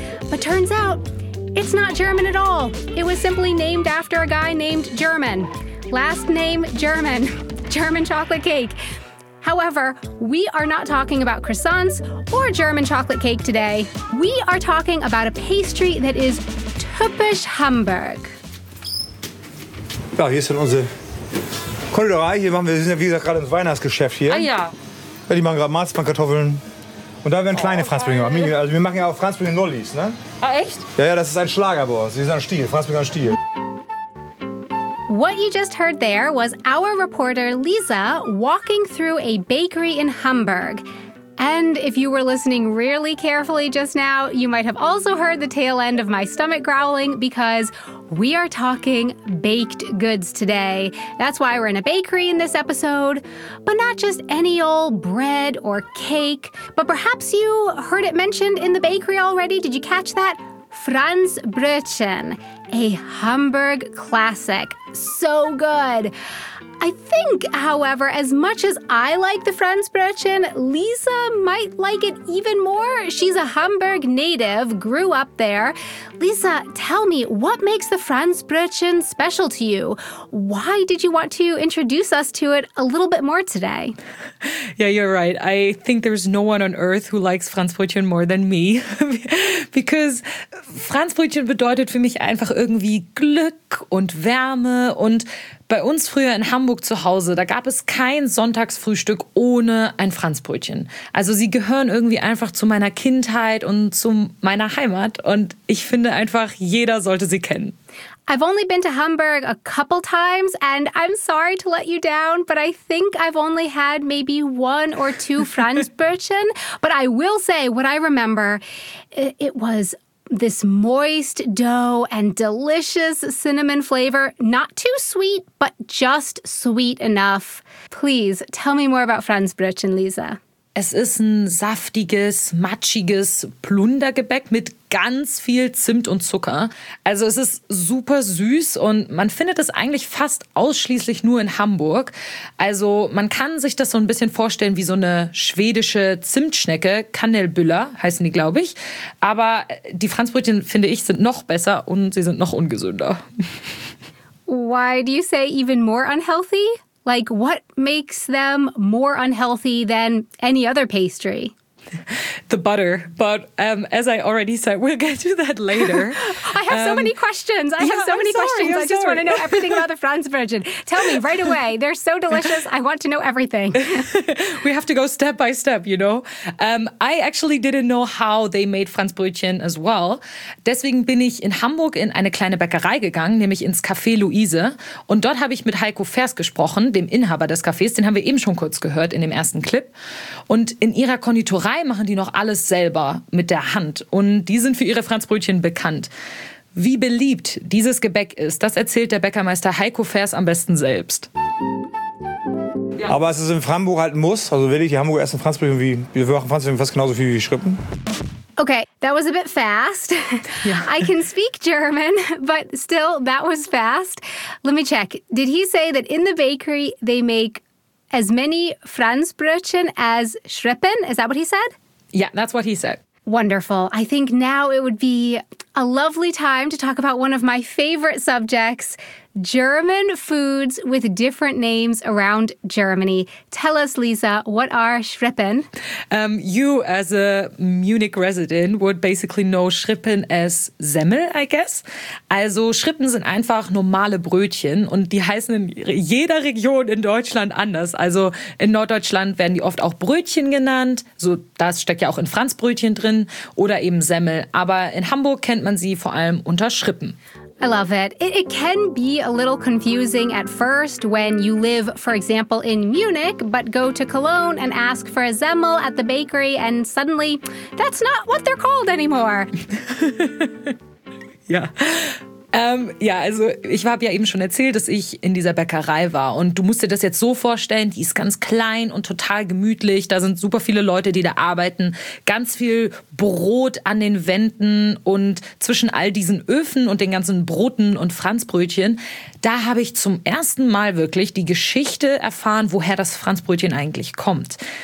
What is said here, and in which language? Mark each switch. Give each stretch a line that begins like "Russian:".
English: But turns out, it's not German at all. It was simply named after a guy named German. Last name German. German chocolate cake. However, we are not talking about croissants or German chocolate cake today. We are talking about a pastry that is
German: typisch Hamburg. Ja, hier ist dann unsere Konditorei. Hier machen wir, sind ja wie gesagt gerade im Weihnachtsgeschäft hier. Ah ja. Ja, die machen gerade Marzipankartoffeln. Und da werden kleine Franzbrötchen gemacht. Also wir machen ja auch Franzbrötchen Nollis, ne? Ah, echt? Ja, ja, das ist ein Schlager bei uns. Das ist ein Stiel, Franzbrötchen Stiel.
English: What you just heard there was our reporter Lisa walking through a bakery in Hamburg. And if you were listening really carefully just now, you might have also heard the tail end of my stomach growling because we are talking baked goods today. That's why we're in a bakery in this episode, but not just any old bread or cake, but perhaps you heard it mentioned in the bakery already. Did you catch that? Franzbrötchen, a Hamburg classic. So good. I think, however, as much as I like the Franzbrötchen, Lisa might like it even more. She's a Hamburg native, grew up there. Lisa, tell me, what makes the Franzbrötchen special to you? Why did you want to introduce us to it a little bit more today? Yeah, you're right. I think there's no one on earth who likes Franzbrötchen more than me. Because
German: Franzbrötchen bedeutet für mich einfach irgendwie Glück und Wärme und... Bei uns früher in Hamburg zu Hause, da gab es kein Sonntagsfrühstück ohne ein Franzbrötchen. Also sie gehören irgendwie einfach zu meiner Kindheit und zu meiner Heimat. Und ich finde einfach, jeder sollte sie kennen.
English: I've only been to Hamburg a couple times and I'm sorry to let you down, but I think I've only had maybe one or two Franzbrötchen. But I will say what I remember, it was this moist dough and delicious cinnamon flavor. Not too sweet, but just sweet enough. Please, tell me more about Franzbrötchen, Lisa.
German: Es ist ein saftiges, matschiges Plundergebäck mit ganz viel Zimt und Zucker. Also es ist super süß und man findet es eigentlich fast ausschließlich nur in Hamburg. Also man kann sich das so ein bisschen vorstellen wie so eine schwedische Zimtschnecke. Kanelbüller heißen die, glaube ich. Aber die Franzbrötchen, finde ich, sind noch besser und sie sind noch ungesünder.
English: Why do you say even more unhealthy? Like, what makes them more unhealthy than any other pastry? The butter. But as I already said, we'll get to that later. I have so many questions. I just want to know everything about the Franzbrötchen. Tell me right away. They're so delicious. I want to know everything. We have to go step by step, you know. I actually didn't know how they made Franzbrötchen as well.
German: Deswegen bin ich in Hamburg in eine kleine Bäckerei gegangen, nämlich ins Café Luise. Und dort habe ich mit Heiko Fers gesprochen, dem Inhaber des Cafés. Den haben wir eben schon kurz gehört in dem ersten Clip. Und in ihrer Konditorei machen die noch alles selber mit der Hand. Und die sind für ihre Franzbrötchen bekannt. Wie beliebt dieses Gebäck ist, das erzählt der Bäckermeister Heiko Fers am besten selbst. Aber es ist in Hamburg halt ein Muss. Also will ich die Hamburger essen Franzbrötchen wie, wir machen Franzbrötchen fast genauso viel wie Schrippen.
English: Okay, that was a bit fast. Yeah. I can speak German, but still, that was fast. Let me check. Did he say that in the bakery they make as many Franzbrötchen as Schrippen? Is that what he said? Yeah, that's what he said. Wonderful. I think now it would be a lovely time to talk about one of my favorite subjects, German foods with different names around Germany. Tell us, Lisa, what are Schrippen? You, as a Munich resident, would basically know Schrippen as Semmel, I guess.
German: Also Schrippen sind einfach normale Brötchen und die heißen in jeder Region in Deutschland anders. Also in Norddeutschland werden die oft auch Brötchen genannt. So, das steckt ja auch in Franzbrötchen drin oder eben Semmel. Aber in Hamburg kennt man sie vor allem unter Schrippen.
English: I love it. It can be a little confusing at first when you live, for example, in Munich, but go to Cologne and ask for a Semmel at the bakery and suddenly that's not what they're called anymore. Yeah.
German: Ja, also ich habe ja eben schon erzählt, dass ich in dieser Bäckerei war und du musst dir das jetzt so vorstellen, die ist ganz klein und total gemütlich, da sind super viele Leute, die da arbeiten, ganz viel Brot an den Wänden und zwischen all diesen Öfen und den ganzen Broten und Franzbrötchen, da habe ich zum ersten Mal wirklich die Geschichte erfahren, woher das Franzbrötchen eigentlich kommt.